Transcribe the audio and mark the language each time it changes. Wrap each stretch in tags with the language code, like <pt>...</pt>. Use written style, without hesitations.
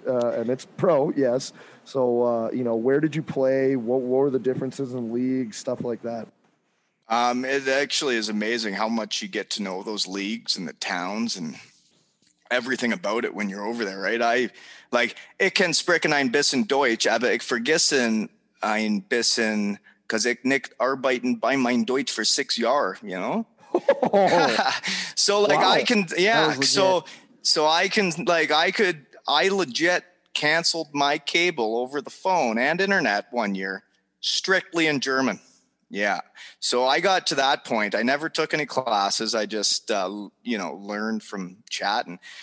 <en>And it's pro. Yes. So, you know, where did you play? What were the differences in leagues, stuff like that? It actually is amazing how much you get to know those leagues and the towns and everything about it when you're over there, right? I like it can</en> <de>spricken ein bisschen Deutsch, aber ich vergessen ein bisschen because ich nicht arbeiten bei mein Deutsch für 6 Jahre,</de> <en>you know? So like wow. I can, yeah. So I can, like, I legit canceled my cable over the phone and internet 1 year strictly in German. Yeah. So I got to that point. I never took any classes. I just, learned from chatting.</en>